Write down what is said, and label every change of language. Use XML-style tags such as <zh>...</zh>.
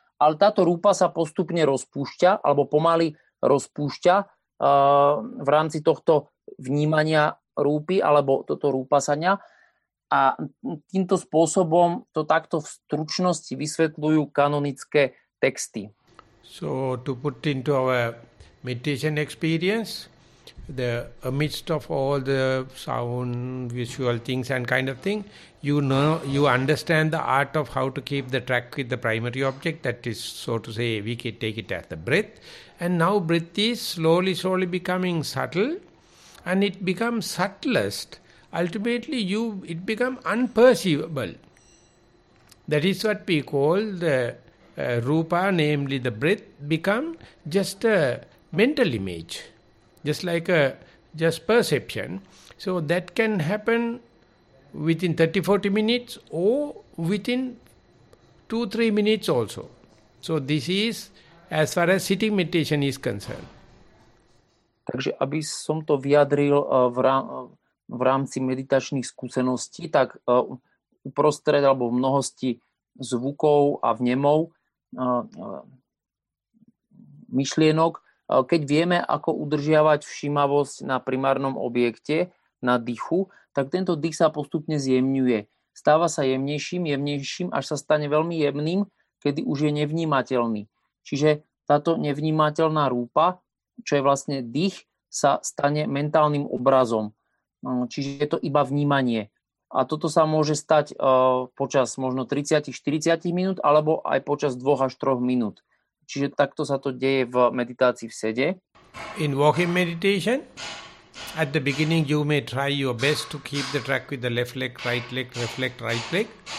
<sk>Ale táto rúpa sa postupne rozpúšťa alebo pomaly rozpúšťa v rámci tohto vnímania rúpy alebo toto rúpasania. A týmto spôsobom to takto v stručnosti vysvetľujú kanonické texty.</sk> <en>So to put into our meditation experience, the amidst of all the sound, visual things and kind of thing, you know, you understand the art of how to keep the track with the primary object, that is, so to say, we can take it as the breath. And now breath is slowly becoming subtle, and it becomes subtlest. Ultimately, it becomes unperceivable. That is what we call the rupa, namely the breath, become just a mental image. just like a just perception. So that can happen within 30-40 minutes or within 2-3 minutes also. So this is as far as sitting meditation is concerned.</en> <sk>Takže aby som to vyjadril v rámci meditačných skúseností, tak uprostred alebo v mnohosti zvukov a vnemov myšlienok, keď vieme, ako udržiavať všímavosť na primárnom objekte, na dýchu, tak tento dých sa postupne zjemňuje. Stáva sa jemnejším, jemnejším, až sa stane veľmi jemným, kedy už je nevnímateľný. Čiže táto nevnímateľná rúpa, čo je vlastne dých, sa stane mentálnym obrazom. Čiže je to iba vnímanie. A toto sa môže stať počas možno 30-40 minút, alebo aj počas 2-3 minút. Čiže takto sa to deje v meditácii v sede.</sk> <en>In walking meditation, at the beginning you may try your best to keep the track with the left leg, right leg, left leg, right leg.</en>